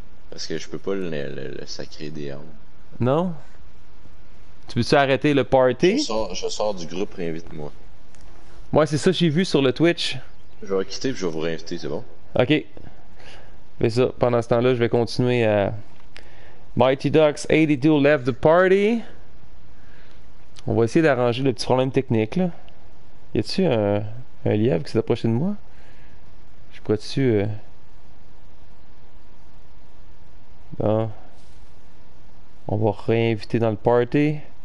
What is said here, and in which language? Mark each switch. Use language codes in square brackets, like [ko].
[fr] Parce que je peux pas le sacrer des armes. Non? Tu veux-tu arrêter le party? Je sors du groupe, réinvite-moi. Ouais, c'est ça, j'ai vu sur le Twitch. Je vais quitter puis je vais vous réinviter, c'est bon? Ok. Fais ça, pendant ce temps-là, je vais continuer à. [en] Mighty Ducks 82 left the party. [fr] On va essayer d'arranger le petit problème technique, là. Y a-tu un lièvre qui s'est approché de moi? Je pourrais-tu. Non. On va réinviter dans le party.